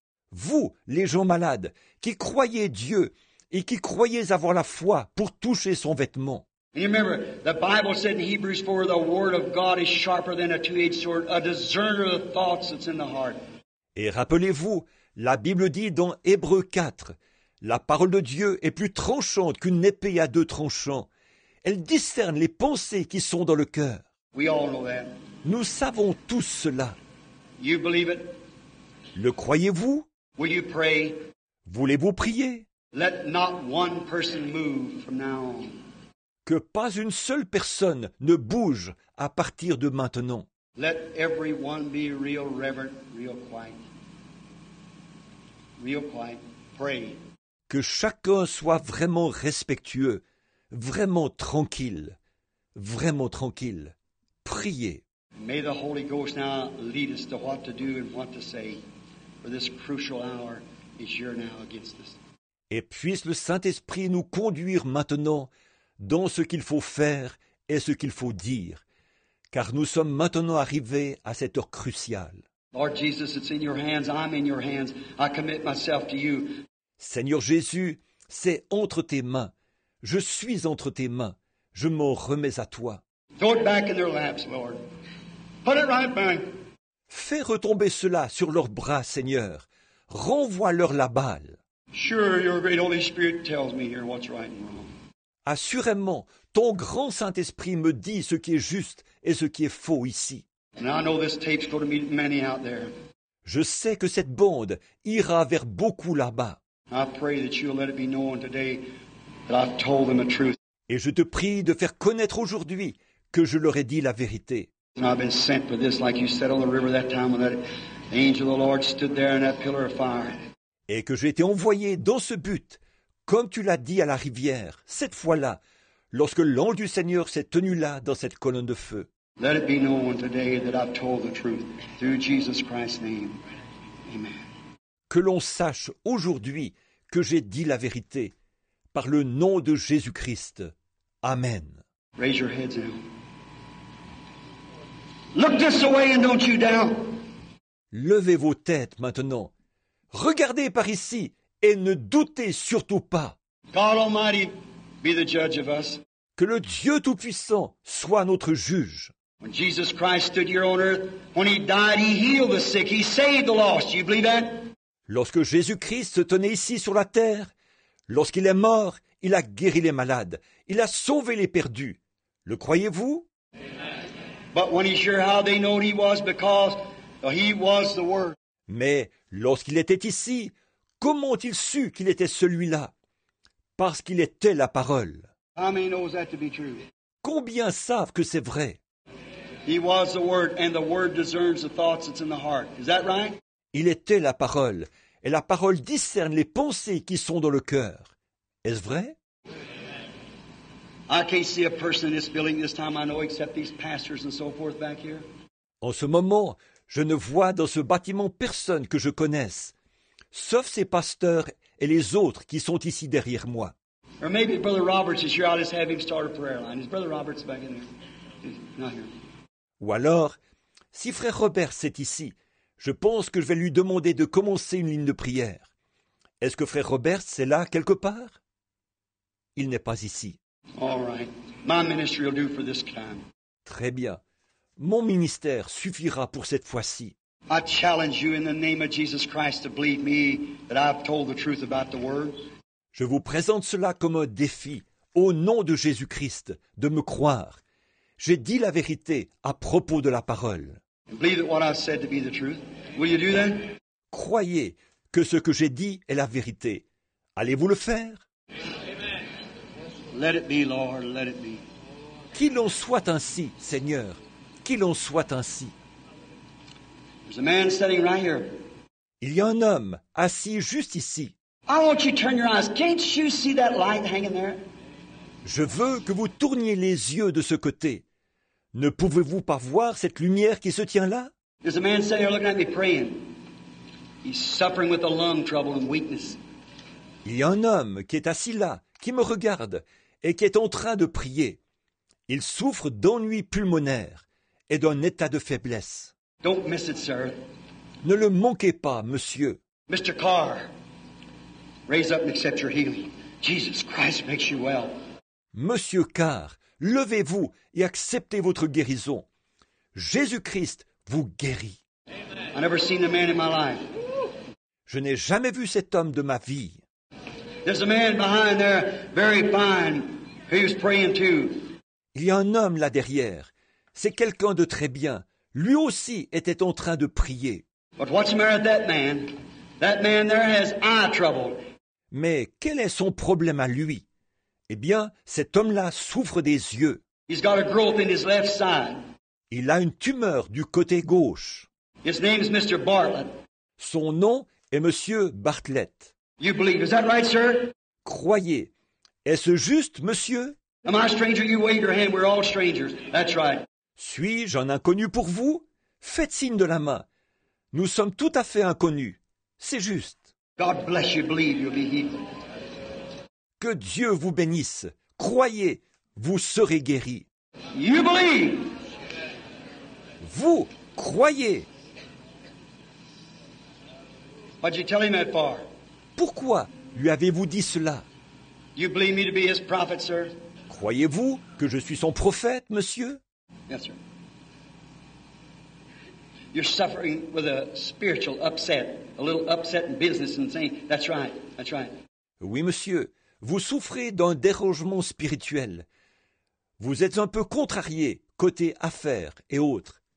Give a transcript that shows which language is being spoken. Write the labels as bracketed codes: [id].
[fr] Vous, les gens malades, qui croyez Dieu et qui croyez avoir la foi pour toucher son vêtement. [en] You remember, the Bible said in Hebrews 4, the word of God is sharper than a two-edged sword, a discerner of the thoughts that's in the heart. [fr] Et rappelez-vous, la Bible dit dans Hébreux 4, la parole de Dieu est plus tranchante qu'une épée à deux tranchants. Elle discerne les pensées qui sont dans le cœur. [en] We all know that. [fr] Nous savons tous cela. [en] You believe it? [fr] Le croyez-vous? [en] Will you pray? [fr] Voulez-vous prier? [en] Let not one person move from now on. [fr] Que pas une seule personne ne bouge à partir de maintenant. [en] Let everyone be real reverent, real quiet. Real quiet. Pray. [fr] Que chacun soit vraiment respectueux. Vraiment tranquille, vraiment tranquille. Priez. [en] May the Holy Ghost now lead us to what to do and what to say, for this crucial hour is here now against us. [fr] Et puisse le Saint-Esprit nous conduire maintenant dans ce qu'il faut faire et ce qu'il faut dire, car nous sommes maintenant arrivés à cette heure cruciale. [en] Lord Jesus, it's in your hands. I'm in your hands. I commit myself to you. [fr] Seigneur Jésus, c'est entre tes mains. Je suis entre tes mains. Je m'en remets à toi. [en] Throw it back in their laps, Lord. Put it right back. [fr] Fais retomber cela sur leurs bras, Seigneur. Renvoie-leur la balle. [en] Sure, your great Holy Spirit tells me here what's right and wrong. [fr] Assurément, ton grand Saint-Esprit me dit ce qui est juste et ce qui est faux ici. [en] And I know this tape's going to meet many out there. [fr] Je sais que cette bande ira vers beaucoup là-bas. [en] I pray that you'll let it be known today that I've told them the truth. [fr] Et je te prie de faire connaître aujourd'hui que je leur ai dit la vérité. [en] And I've been sent for this, like you said on the river that time when that angel of the Lord stood there in that pillar of fire. [fr] Et que j'ai été envoyé dans ce but, comme tu l'as dit à la rivière, cette fois-là, lorsque l'ange du Seigneur s'est tenu là dans cette colonne de feu. [en] Let it be known today that I've told the truth through Jesus Christ's name. Amen. [fr] Que l'on sache aujourd'hui que j'ai dit la vérité par le nom de Jésus-Christ. Amen. [en] Raise your heads now. Look this way and don't you down. [fr] Levez vos têtes maintenant. Regardez par ici et ne doutez surtout pas. [en] God Almighty be the judge of us. [fr] Que le Dieu Tout-Puissant soit notre juge. [en] When Jesus Christ stood here on earth, when he died, he healed the sick, he saved the lost. You believe that? [fr] Lorsque Jésus-Christ se tenait ici sur la terre, lorsqu'il est mort, il a guéri les malades, il a sauvé les perdus. Le croyez-vous? [en] But when he's here, how they know he was because he was the Word. [fr] Mais lorsqu'il était ici, comment ont-ils su qu'il était celui-là? Parce qu'il était la parole. [en] How many knows that to be true? [fr] Combien savent que c'est vrai? [en] He was the Word, and the Word discerns the thoughts that's in the heart. Is that right? [fr] Il était la parole, et la parole discerne les pensées qui sont dans le cœur. Est-ce vrai? [en] I can't see a person in this building this time I know except these pastors and so forth back here. [fr] En ce moment, je ne vois dans ce bâtiment personne que je connaisse, sauf ces pasteurs et les autres qui sont ici derrière moi. [en] Or maybe Brother Roberts is here. I'll just have him start a prayer line. Is Brother Roberts back in there? Not here. [fr] Ou alors, si Frère Robert est ici, je pense que je vais lui demander de commencer une ligne de prière. Est-ce que Frère Robert est là quelque part? Il n'est pas ici. [en] All right. My ministry will do for this time. [fr] Très bien. Mon ministère suffira pour cette fois-ci. [en] I challenge you in the name of Jesus Christ to believe me that I've told the truth about the Word. [fr] Je vous présente cela comme un défi, au nom de Jésus-Christ, de me croire. J'ai dit la vérité à propos de la parole. [en] Believe that what I've said to be the truth. Will you do that? [fr] Croyez que ce que j'ai dit est la vérité. Allez-vous le faire? [en] Amen. Let it be, Lord, let it be. [fr] Qu'il en soit ainsi, Seigneur. Qu'il en soit ainsi. [en] There's a man sitting right here. [fr] Il y a un homme assis juste ici. [en] I want you to turn your eyes. Can't you see that light hanging there? [fr] Je veux que vous tourniez les yeux de ce côté. Ne pouvez-vous pas voir cette lumière qui se tient là? [en] There's a man sitting here looking at me praying. He's suffering with a lung trouble and weakness. [fr] Il y a un homme qui est assis là, qui me regarde et qui est en train de prier. Il souffre d'ennuis pulmonaires et d'un état de faiblesse. [en] Don't miss it, sir. [fr] Ne le manquez pas, monsieur. [en] Mr. Carr, raise up and accept your healing. Jesus Christ makes you well. [fr] Monsieur Carr, levez-vous et acceptez votre guérison. Jésus-Christ vous guérit. [en] I never seen a man in my life. [fr] Je n'ai jamais vu cet homme de ma vie. [en] There's a man behind there, very fine, who's praying too. [fr] Il y a un homme là derrière. C'est quelqu'un de très bien. Lui aussi était en train de prier. [en] But what's the matter with that man? That man there has eye trouble. [fr] Mais quel est son problème à lui? Eh bien, cet homme-là souffre des yeux. [en] He's got a growth in his left side. [fr] Il a une tumeur du côté gauche. [en] His name is Mr. Bartlett. [fr] Son nom est Monsieur Bartlett. [en] You believe? Is that right, sir? [fr] Croyez. Est-ce juste, monsieur? [en] Am I a stranger? You wave your hand. We're all strangers. That's right. [fr] Suis-je un inconnu pour vous? Faites signe de la main. Nous sommes tout à fait inconnus. C'est juste. [en] God bless you. Believe you'll be healed. [fr] Que Dieu vous bénisse. Croyez, vous serez guéri. [en] You believe. [fr] Vous croyez. [en] What'd you tell him that for? [fr] Pourquoi lui avez-vous dit cela? [en] You believe me to be his prophet, sir? [fr] Croyez-vous que je suis son prophète, monsieur? [en] Yes, sir. You're suffering with a spiritual upset, a little upset in business and saying, that's right, that's right. [fr] Oui, monsieur, vous souffrez d'un dérangement spirituel. Vous êtes un peu contrarié côté affaires et autres.